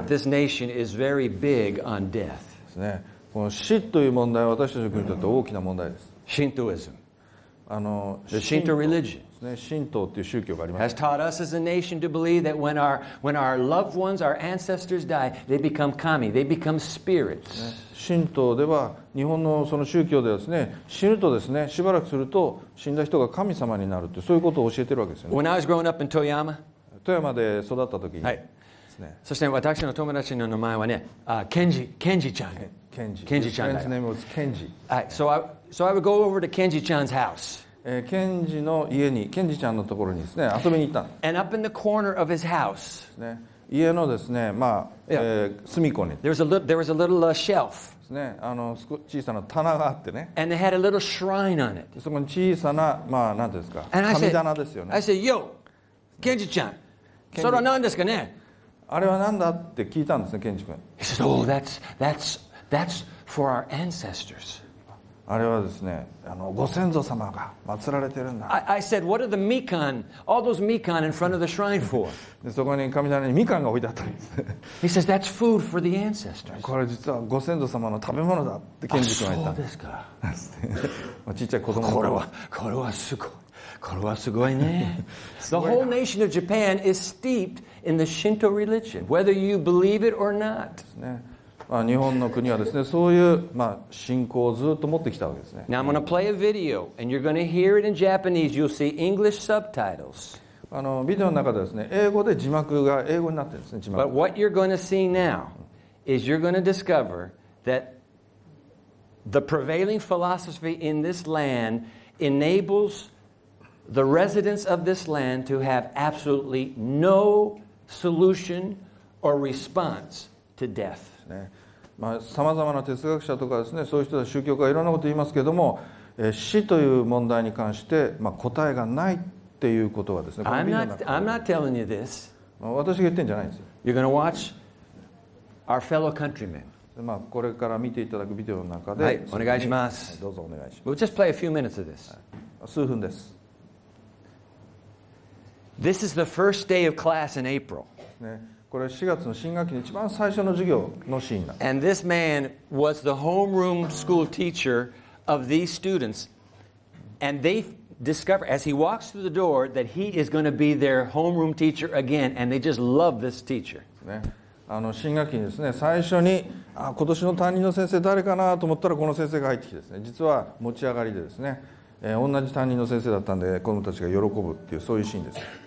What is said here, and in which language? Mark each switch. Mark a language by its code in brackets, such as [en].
[en] That this nation is very big on death. [ja] ですね。この死という問題は私たちの国にとって大きな問題です。 [en] Shintoism. The Shinto religion. [ja] ね、神道という宗教があります。 [en] Has taught us as a nation to believe that when our loved ones, our ancestors die, they become kami, they become spirits.、 [ja] ね、神道では日本のその宗教ではですね、死ぬとですね、しばらくすると死んだ人が神様になるってそういうことを教えてるわけですよね。 [en] When I was growing up in Toyama, [ja] 富山で育った時に、はい、ですね。そして私の友達の名前はね、ケンジちゃん。ケンジちゃん。 [en] His friend's name was Kenji. So I would go over to Kenji-chan's house. [ja] ケンジの家に、ケンジちゃんのところにですね、遊びに行った。 [en] And up in the corner of his house, [ja] 家のですね、まあ、隅っこに。 [en] There was a little shelf. [ja] ですね、小さな棚があってね。 [en] And they had a little shrine on it. [ja] そこに小さな、まあ、なんですか、神棚ですよね。 [en] I said, yo, [ja] Kenji ちゃん、それは何ですかね。あれは何だって聞いたんですね、ケンジ君。 [en] He said, oh, that's for our ancestors. [ja] あれはですね、ご先祖様が祀られてるんだ。 [en] I said, what are the mikan, all those mikan in front of the shrine for? [ja] でそこに神棚にみかんが置いてあったんです。 [en] He says, that's food for the ancestors. [ja] これ実はご先祖様の食べ物だって賢治君は言った。そうですか。まあ、ちっちゃい子供の。これはすごいね。 [en] The whole nation of Japan is steeped in the Shinto religion, whether you believe it or not. [ja] ですね。まあ、日本の国はですね、そういう、まあ、信仰をずっと持ってきたわけですね。 [en] Now I'm going to play a video, and you're going to hear it in Japanese. You'll see English subtitles. [ja] ビデオの中でですね、英語で字幕が英語になってるんですね、字幕。 [en] But what you're going to see now is you're going to discover that the prevailing philosophy in this land enables the residents of this land to have absolutely no solution or response to death. [ja] さまざまな哲学者とかですね、そういう人は宗教家いろんなこと言いますけれども、死という問題に関して、まあ、答えがないっていうことはですね、 [en] I'm not telling you this. [ja] 私が言ってるんじゃないんですよ。 [en] You're going to watch our fellow countrymen.、 [ja] まあ、これから見ていただくビデオの中で、はい、お願いします。どうぞお願いします。 [en] We'll just play a few minutes of this.、 [ja] はい、数分です。 [en] This is the first day of class in April.、 [ja] ねこれ4月の新学期の一番最初の授業のシーンだ。 [en] And this man was the homeroom school teacher of these students. And they discover, as he walks through the door, that he is going to be their homeroom teacher again. And they just love this teacher.、 [ja] ね、新学期にですね、最初に、あ、今年の担任の先生誰かなと思ったらこの先生が入ってきてですね、実は持ち上がりでですね、同じ担任の先生だったんで、子供たちが喜ぶっていう、そういうシーンです。